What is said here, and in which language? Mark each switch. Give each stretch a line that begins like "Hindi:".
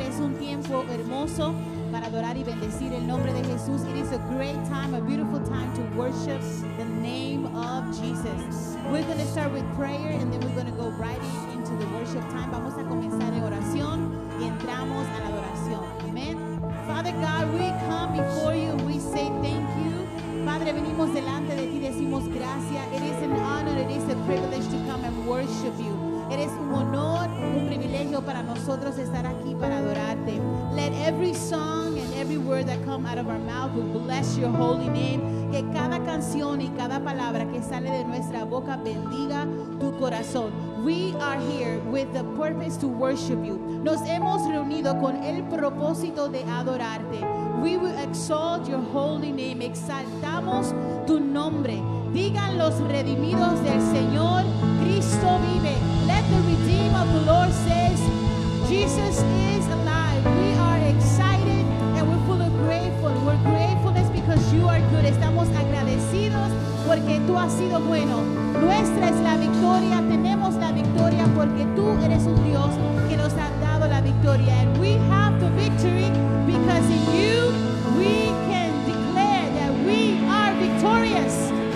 Spanish: Es un tiempo hermoso para adorar y bendecir el nombre de Jesús.
English: It is a great time, a beautiful time to worship the name of Jesus. We're going to start with prayer and then we're going to go right into the worship time.
Spanish: Vamos a comenzar en oración y entramos a la adoración.
English: Amen. Father God, we come before you and we say thank you.
Spanish: Padre, venimos delante de ti, decimos gracias.
English: It is an honor, it is a privilege to come and worship you.
Spanish: Eres un honor, un privilegio para nosotros estar aquí para adorarte.
English: Let every song and every word that come out of our mouth will bless your holy name.
Spanish: Que cada canción y cada palabra que sale de nuestra boca bendiga tu corazón.
English: We are here with the purpose to worship you.
Spanish: Nos hemos reunido con el propósito de adorarte.
English: We will exalt your holy name.
Spanish: Exaltamos tu nombre. Digan los redimidos del Señor, Cristo vive.
English: Let the redeemed of the Lord say, Jesus is alive. We are excited and we're full of grateful. We're gratefulness because you are good.
Spanish: Estamos agradecidos porque tú has sido bueno. Nuestra es la victoria. Tenemos la victoria porque tú eres un Dios que nos ha dado la victoria.
English: And we have the victory because in you we can declare that we are victorious.